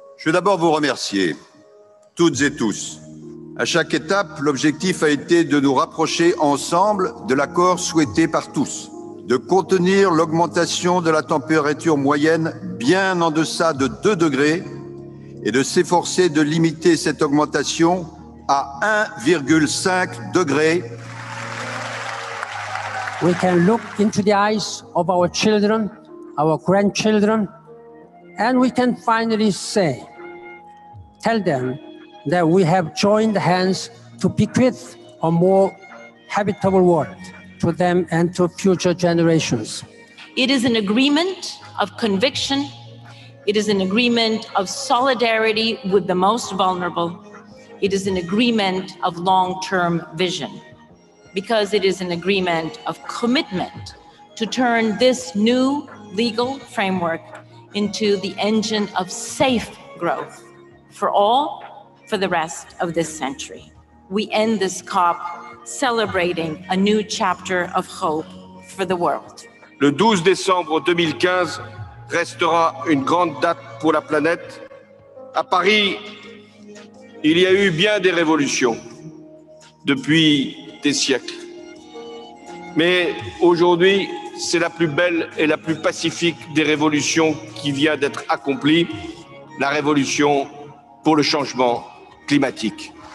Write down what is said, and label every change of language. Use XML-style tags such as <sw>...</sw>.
<fr>Je veux d'abord vous remercier, toutes et tous. À chaque étape, l'objectif a été de nous rapprocher ensemble de l'accord souhaité par tous, de contenir l'augmentation de la température moyenne bien en deçà de 2 degrés et de s'efforcer de limiter cette augmentation à 1,5 degré.</fr> <en>We can look into the eyes of our children, our grandchildren, and we can finally say, tell them that we have joined hands to bequeath a more habitable world to them and to future generations. It is an agreement of conviction. It is an agreement of solidarity with the most vulnerable. It is an agreement of long-term vision. Because it is an agreement of commitment to turn this new legal framework into the engine of safe growth for all for the rest of this century. We end this COP celebrating a new chapter of hope for the world.</en> <fr>Le 12 décembre 2015 restera une grande date pour la planète. À Paris, il y a eu bien des révolutions depuis des siècles. Mais aujourd'hui, c'est la plus belle et la plus pacifique des révolutions qui vient d'être accomplie, la révolution pour le changement climatique.</fr>